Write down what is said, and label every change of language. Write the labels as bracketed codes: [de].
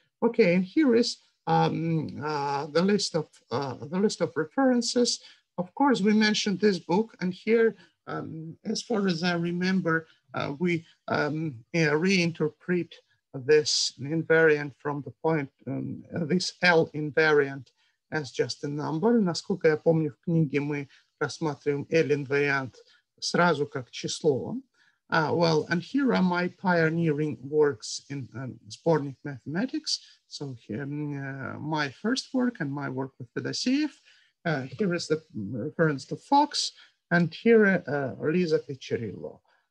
[en] Okay, and here is the list of references. Of course, we mentioned this book, and here, as far as I remember, reinterpret this invariant from the point, this L invariant as just a number. [ru] Насколько я помню, в книге мы рассматриваем L invariant сразу как число. [en] And here are my pioneering works in Sbornik mathematics. So here, my first work and my work with Fedosiev. Here is the reference to Fox, and here Lisa Picciarillo.